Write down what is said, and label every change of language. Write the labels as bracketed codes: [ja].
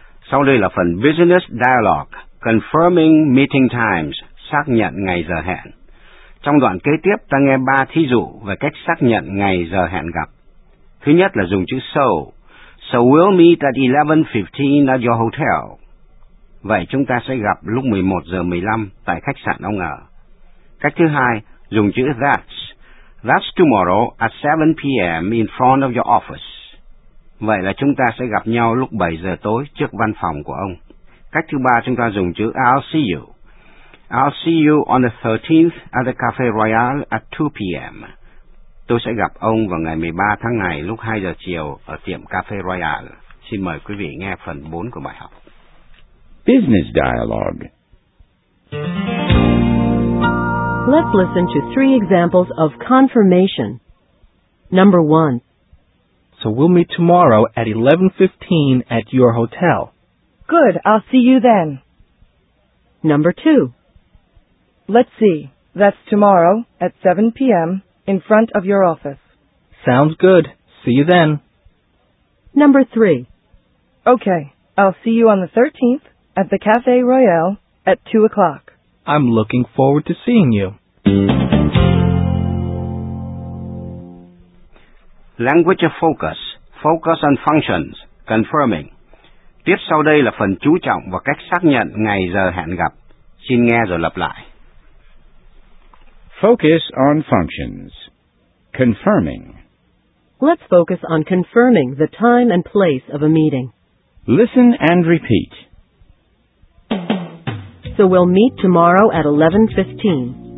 [vi] Sau đây là phần [en] Business Dialogue, Confirming Meeting Times, [vi] xác nhận ngày giờ hẹn. Trong đoạn kế tiếp, ta nghe ba thí dụ về cách xác nhận ngày giờ hẹn gặp. Thứ nhất là dùng chữ so. [en] So we'll meet at 11:15 at your hotel. [vi] Vậy chúng ta sẽ gặp lúc 11:15 tại khách sạn ông ở. Cách thứ hai, dùng chữ [en] that's. That's tomorrow at 7 p.m. in front of your office. [vi] Vậy là chúng ta sẽ gặp nhau lúc 7 giờ tối trước văn phòng của ông. Cách thứ ba chúng ta dùng chữ [en] I'll see you. I'll see you on the 13th at the Cafe Royal at 2 p.m. [vi] Tôi sẽ gặp ông vào ngày 13 tháng này lúc 2 giờ chiều ở tiệm Cafe Royal. Xin mời quý vị nghe phần 4 của bài học. [en] Business Dialogue. Let's listen to three examples of confirmation. Number one. So we'll meet tomorrow at 11:15 at your hotel. Good, I'll see you then. Number two. Let's see, that's tomorrow at 7 p.m. in front of your office. Sounds good, see you then. Number three. Okay, I'll see you on the 13th at the Cafe Royal at 2 o'clock. I'm looking forward to seeing you. Language of focus, focus on functions, confirming. [vi] Tiếp sau đây là phần chú trọng và cách xác nhận ngày giờ hẹn gặp. Xin nghe rồi lặp lại. [en] Focus on functions, confirming. Let's focus on confirming the time and place of a meeting. Listen and repeat. So we'll meet tomorrow at 11:15.